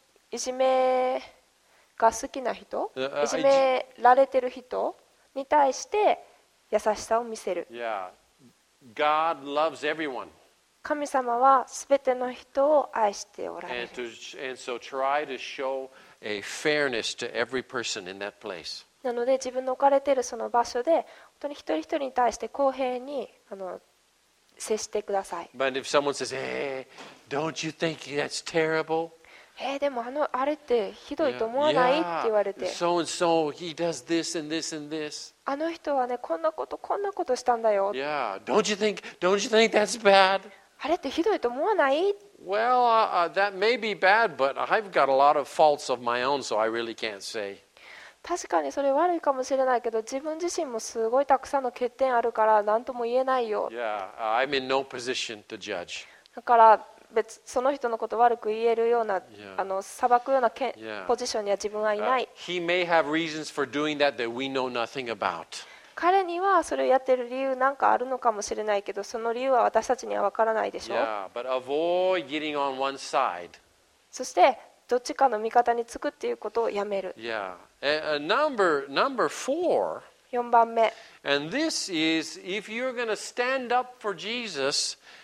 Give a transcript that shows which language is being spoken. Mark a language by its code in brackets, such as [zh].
[ja] いじめが好きな人、いじめられてる人に対して優しさを見せる。 [en] Yeah. God loves everyone. [ja] 神様は全ての人を愛しておられる。 [en] And so try to show a fairness to every person in that place. [ja] なので自分の置かれているその場所で本当に一人一人に対して公平に接してください。 [en] But if someone says, hey, don't you think that's terrible? [ja] でもあれってひどいと思わない？って言われて、 [en] So and so, he does this and this and this. [ja] あの人はね、こんなことしたんだよ。 [en] Yeah, don't you think that's bad? [ja] あれってひどいと思わない？ [en] Well, that may be bad, but I've got a lot of faults of my own, so I really can't say. [ja] 確かにそれ悪いかもしれないけど、自分自身もすごいたくさんの欠点あるから何とも言えないよ。 [en] Yeah, I'm in no position to judge. [ja] だから別その人のこと悪く言えるような、yeah. 裁くような、yeah. ポジションには自分はいない。 [en] He may have reasons for doing that that we know nothing about. [ja] 彼にはそれをやってる理由なんかあるのかもしれないけど、その理由は私たちには分からないでしょう。 [en] Yeah, but avoid getting on one side. [ja] そしてどっちかの味方につくっていうことをやめる。 [en] Yeah. Number four. [ja] 4番目。 [en] And this is if you're going to stand up for Jesus.